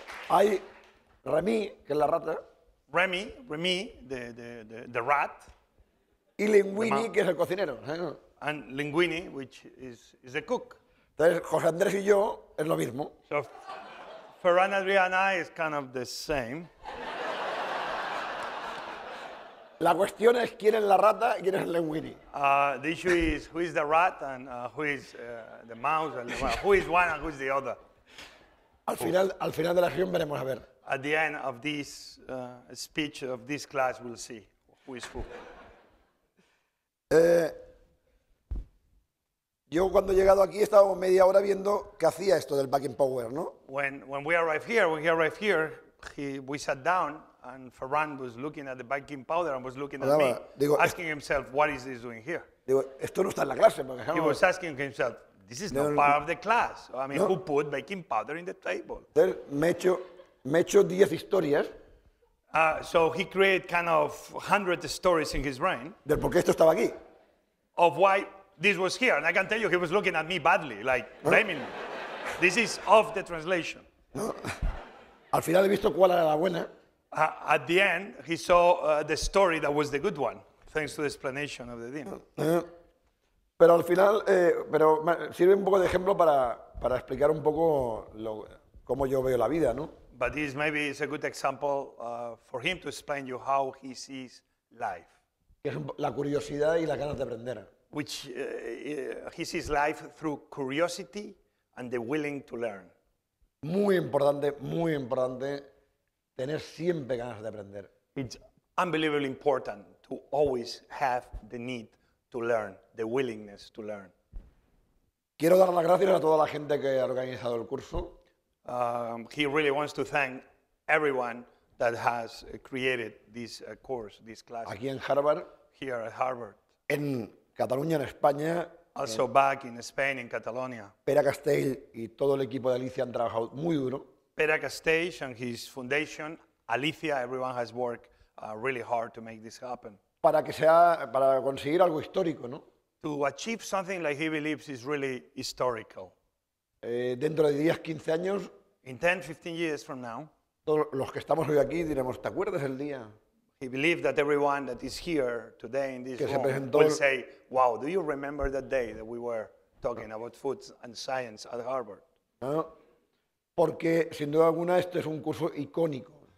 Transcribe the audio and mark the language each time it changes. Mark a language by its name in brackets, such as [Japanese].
[Spanish] Hay Remy, que es la rata. [English] Remy, the rat. [Spanish] Y Linguini, que es el cocinero. ¿Eh? [English] And Linguini, which is the cook. [Spanish] Entonces, José Andrés y yo es lo mismo. [English] So, Ferran Adria and I is kind of the same. [Spanish] La cuestión es quién es la rata y quién es el Linguini. [English] The issue is who is the rat and who is the mouse, and who is one and who is the other. [Spanish] Al final de la sesión veremos a ver. [English] At the end of this speech of this class, we'll see who is who. [Spanish] Yo cuando he llegado aquí estaba media hora viendo qué hacía esto del backing power, ¿no? [English] When he arrived here, we sat down. And Ferran was looking at the baking powder and was looking at me, [Spanish] digo, [English] asking himself, what is this doing here? [Spanish] Digo, esto no está en la clase, por ejemplo. [English] He was asking himself, this is not part of the class. I mean, no. Who put baking powder in the table? [Spanish] Entonces, me he hecho 10 historias. [English] So he created kind of 100 stories in his brain. [Spanish] De por qué esto estaba aquí. [English] Of why this was here. And I can tell you, he was looking at me badly, like blaming me. This is off the translation. [Spanish] No. Al final he visto cuál era la buena. [English] At the end, he saw the story that was the good one, thanks to the explanation of the dean. [Spanish] Pero al final, pero sirve un poco de ejemplo para explicar un poco cómo yo veo la vida, ¿no? [English] but this maybe is a good example for him to explain you how he sees life. [Spanish] La curiosidad y las ganas de aprender. [English] Which he sees life through curiosity and the willing to learn. [Spanish] Muy importante tener siempre ganas de aprender. [English] It's unbelievably important to always have the need to learn, the willingness to learn. [Spanish] Quiero dar las gracias a toda la gente que ha organizado el curso. [English] He really wants to thank everyone that has created this course, this class. [Spanish] Aquí en Harvard. [English] Here at Harvard. [Spanish] En Cataluña, en España. [English] Also back in Spain, in Catalonia. [Spanish] Pere Castell y todo el equipo de Alicia han trabajado muy duro. [English] Pere Castell and his foundation, Alicia, everyone has worked really hard to make this happen. [Spanish] Para que sea, para conseguir algo histórico, ¿no? [English] To achieve something like he believes is really historical. [Spanish] Dentro de 10, 15 años. [English] In 10, 15 years from now. [Spanish] Todos los que estamos hoy aquí diremos, ¿te acuerdas el día? [English] He believed that everyone that is here today in this room will say, wow, do you remember that day that we were talking about food and science at Harvard? [Spanish] No. Porque, sin duda alguna, esto es un curso icónico.